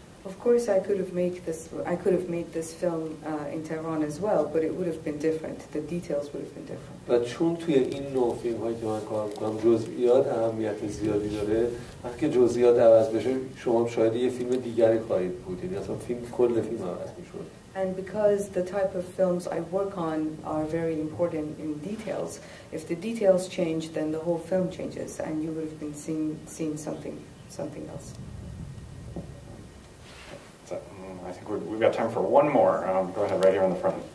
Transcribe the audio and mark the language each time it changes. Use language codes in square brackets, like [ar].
[en] Of course I could have made this film in Tehran as well, but it would have been different. The details would have been different. [fa] و چون توی این نوع فیلم هایی که من کار میکنم جزئیات اهمیت زیادی داره، وقتی که جزئیات عوض بشه شما شاید یه فیلم دیگری خواهید بود، یعنی اصلا فیلم کل فیلم عوض میشد. [en] And because the type of films I work on are very important in details, if the details change, then the whole film changes, and you would have been seeing something else. I think we've got time for one more. Go ahead, right here in the front.